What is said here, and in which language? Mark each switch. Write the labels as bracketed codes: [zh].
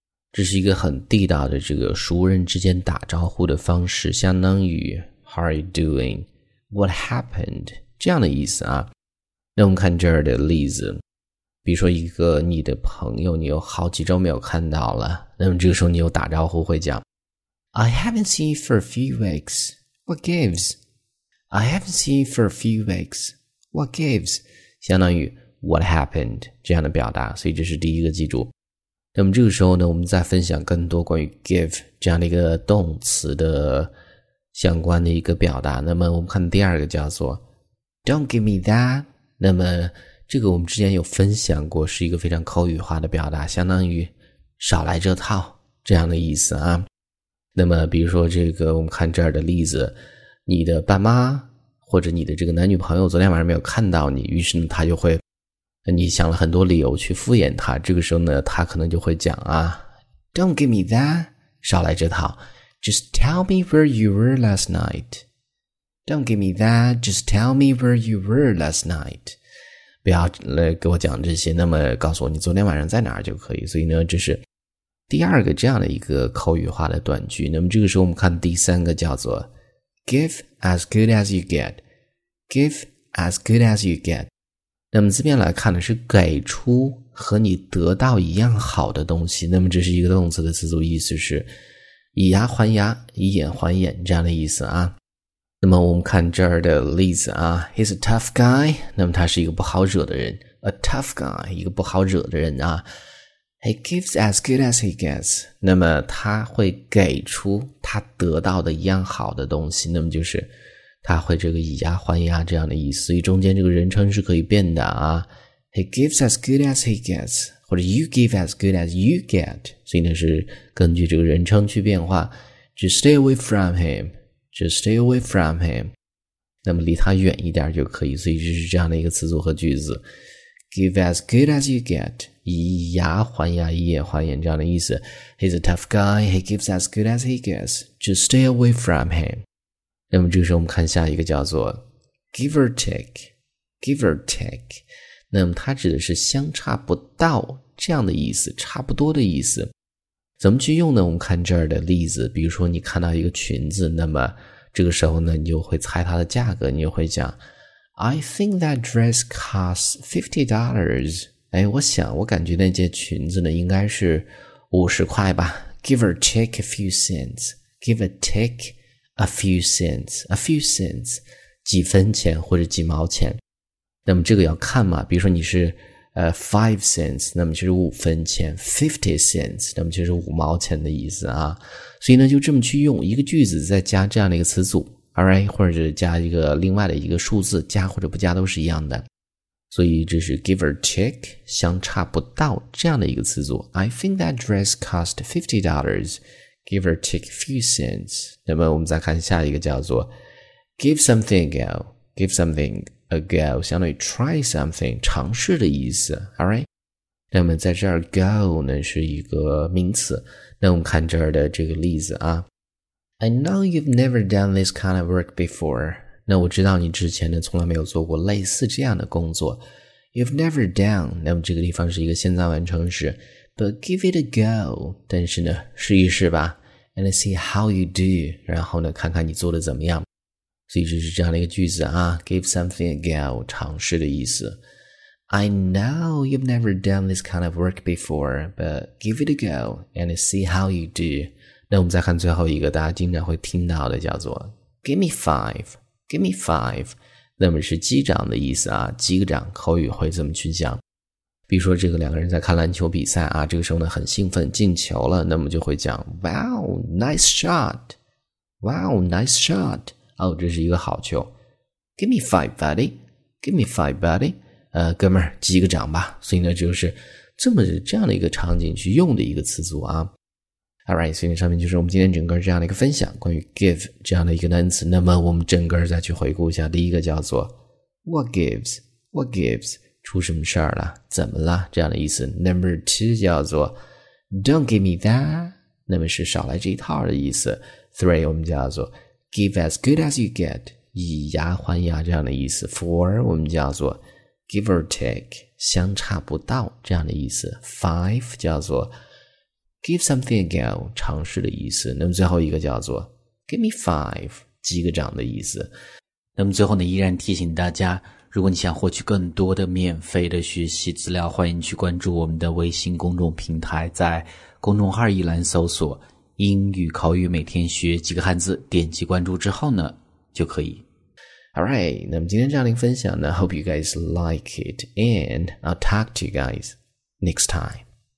[zh] 这是一个很地道的这个熟人之间打招呼的方式，相当于 [en] "How are you doing?", "What happened?" [zh] 这样的意思啊。那我们看这儿的例子。比如说一个你的朋友，你有好几周没有看到了，那么这个时候你有打招呼会讲 [en] I haven't seen you for a few weeks, what gives? I haven't seen you for a few weeks, what gives? [zh] 相当于 [en] what happened [zh] 这样的表达，所以这是第一个记住。那么这个时候呢，我们再分享更多关于 give 这样的一个动词的相关的一个表达。那么我们看第二个叫做 [en] Don't give me that， [zh] 那么这个我们之前有分享过，是一个非常口语化的表达，相当于少来这套这样的意思啊。那么比如说这个我们看这儿的例子，你的爸妈或者你的这个男女朋友昨天晚上没有看到你，于是呢他就会，你想了很多理由去敷衍他，这个时候呢他可能就会讲啊 [en] Don't give me that， [zh] 少来这套， [en] Just tell me where you were last night。 Don't give me that， Just tell me where you were last night。 [zh] 不要来给我讲这些，那么告诉我你昨天晚上在哪儿就可以。所以呢，这是第二个这样的一个口语化的短句。那么这个时候我们看第三个叫做 [en] Give as good as you get， [zh] Give as good as you get。那么字面来看的是给出和你得到一样好的东西，那么这是一个动词的词组，意思是以牙还牙，以眼还眼这样的意思啊。那么我们看这儿的例子啊， [en] He's a tough guy， [zh] 那么他是一个不好惹的人， [en] A tough guy， [zh] 一个不好惹的人啊。 [en] He gives as good as he gets， [zh] 那么他会给出他得到的一样好的东西，那么就是他会这个以牙还牙这样的意思。所以中间这个人称是可以变的啊， [en] He gives as good as he gets， [zh] 或者 [en] You give as good as you get， [zh] 所以呢是根据这个人称去变化。 [en] Just stay away from himJust stay away from him， [zh] 那么离他远一点就可以。所以就是这样的一个词组和句子， [en] Give as good as you get， [zh] 以牙还牙，以眼还眼这样的意思。 [en] He's a tough guy， He gives as good as he gets， Just stay away from him。 [zh] 那么这个时候我们看下一个叫做 [en] Give or take， [zh] Give or take， 那么它指的是相差不到这样的意思，差不多的意思。怎么去用呢？我们看这儿的例子，比如说你看到一个裙子，那么这个时候呢，你就会猜它的价格，你就会讲 [en] I think that dress costs $50。 [zh] 哎，我感觉那件裙子呢应该是50块吧， [en] Give or take a few cents， [zh] Give or take a few cents， [en] A few cents， [zh] 几分钱或者几毛钱。那么这个要看嘛，比如说你是5 cents， 那么就是5分钱， 50 cents， 那么就是5毛钱的意思啊。所以呢就这么去用一个句子，再加这样的一个词组， alright， 或者加一个另外的一个数字，加或者不加都是一样的。所以这是 [en] give or take， [zh] 相差不到这样的一个词组。 [en] I think that dress cost $50， give or take a few cents。 [zh] 那么我们再看下一个叫做 [en] give something a go， give somethinga go， [zh] 相当于 [en] try something， [zh] 尝试的意思， alright。那么在这儿 go 呢是一个名词，那我们看这儿的这个例子啊， [en] I know you've never done this kind of work before， [zh] 那我知道你之前呢从来没有做过类似这样的工作。 [en] You've never done， [zh] 那么这个地方是一个现在完成时， [en] But give it a go， [zh] 但是呢试一试吧， [en] And see how you do， [zh] 然后呢看看你做的怎么样。所以这是这样的一个句子啊， [en] Give something a go， [zh] 尝试的意思。 [en] I know you've never done this kind of work before， But give it a go and see how you do。 [zh] 那我们再看最后一个大家经常会听到的叫做 [en] Give me five， [zh] Give me five， 那么是击掌的意思啊，击个掌，口语会这么去讲。比如说这个两个人在看篮球比赛啊，这个时候呢很兴奋进球了，那么就会讲 [en] Wow nice shot， [zh] Wow nice shot，哦，这是一个好球。 [en] Give me five, buddy. Give me five, buddy. [zh] 哥们儿，击个掌吧。所以呢，就是这样的一个场景去用的一个词组啊。 Alright， 所以上面就是我们今天整个这样的一个分享，关于 give 这样的一个单词。那么我们整个再去回顾一下，第一个叫做 [en] What gives? What gives? [zh] 出什么事儿了？怎么了？这样的意思。 [en] Number two [zh] 叫做 [en] Don't give me that. [zh] 那么是少来这一套的意思。 Three 我们叫做 [en] Give as good as you get， [zh] 以牙还牙这样的意思。 Four 我们叫做 [en] Give or take， [zh] 相差不到这样的意思。 Five 叫做 [en] Give something a go， [zh] 尝试的意思。那么最后一个叫做 [en] Give me five， [zh] 击个掌的意思。那么最后呢，依然提醒大家，如果你想获取更多的免费的学习资料，欢迎去关注我们的微信公众平台，在公众号一栏搜索英语口语每天学几个汉字，点击关注之后呢就可以。 [en] Alright， [zh] 那么今天这样的分享呢， [en] Hope you guys like it and I'll talk to you guys next time.